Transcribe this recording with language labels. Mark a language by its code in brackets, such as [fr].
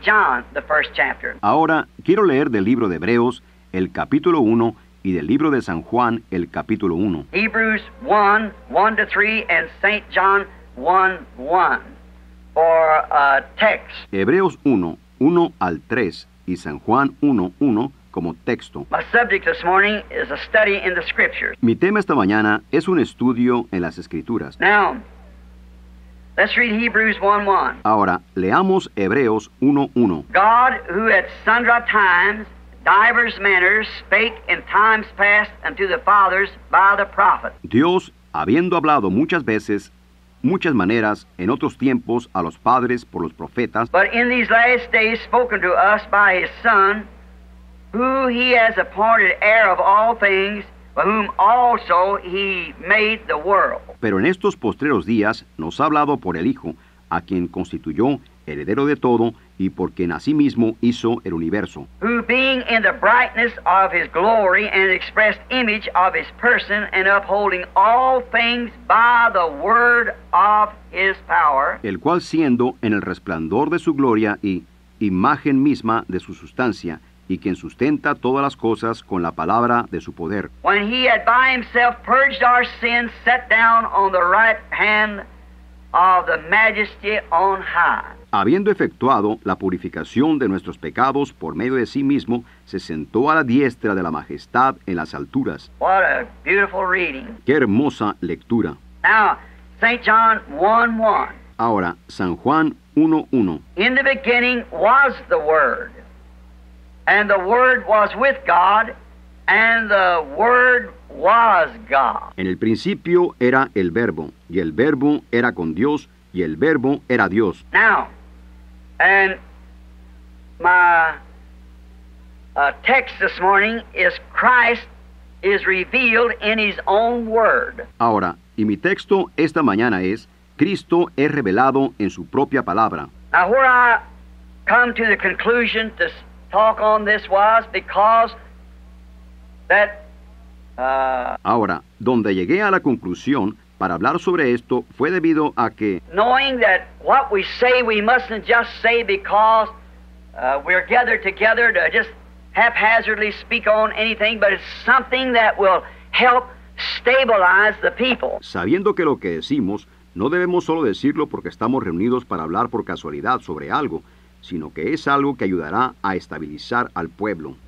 [en] John, the first chapter. [es] Ahora, quiero leer del libro de Hebreos, el capítulo 1, y del libro de San Juan, el capítulo 1. [en] Hebrews 1, 1 to 3, and St. John 1, 1, for a text. [es] Hebreos 1, 1 al 3, y San Juan 1, 1, como texto. [en] My subject this morning is a study in the Scriptures. [es] Mi tema esta mañana es un estudio en las Escrituras. [en] Now, let's read Hebrews 1, 1. [es] Ahora, leamos Hebreos 1, 1. [en] God, who at sundry times, divers manners, spake in times past unto the fathers by the prophets. [es] Dios, habiendo hablado muchas veces, muchas maneras, en otros tiempos, a los padres por los profetas, [en] but in these last days spoken to us by his Son, who he has appointed heir of all things, by whom also he made the world. [es] Pero en estos postreros días nos ha hablado por el Hijo, a quien constituyó heredero de todo, y por quien a sí mismo hizo el universo. [en] Who being in the brightness of his glory and expressed image of his person and upholding all things by the word of his power. [es] El cual siendo en el resplandor de su gloria y imagen misma de su sustancia, y quien sustenta todas las cosas con la palabra de su poder. [en] When he had by himself purged our sins, sat down on the right hand of the majesty on high. [es] Habiendo efectuado la purificación de nuestros pecados por medio de sí mismo, se sentó a la diestra de la majestad en las alturas. [en] What a beautiful reading. [es] ¡Qué hermosa lectura! [en] Now, St. John 1:1. [es] Ahora, San Juan 1:1. [en] In the beginning was the Word, and the Word was with God, and the Word was God. [es] En el principio era el Verbo, y el Verbo era con Dios, y el Verbo era Dios. [en] Now, and my text this morning is Christ is revealed in his own word. [es] Ahora, y mi texto esta mañana es Cristo es revelado en su propia palabra. [en] Now, where I come to the conclusion to talk on this was because that... [es] Ahora, donde llegué a la conclusión para hablar sobre esto fue debido a que [en] knowing that what we say we mustn't just say because we're gathered together to just haphazardly speak on anything, but it's something that will help stabilize the people. [es] Sabiendo que lo que decimos no debemos solo decirlo porque estamos reunidos para hablar por casualidad sobre algo, sino que es algo que ayudará a estabilizar al pueblo.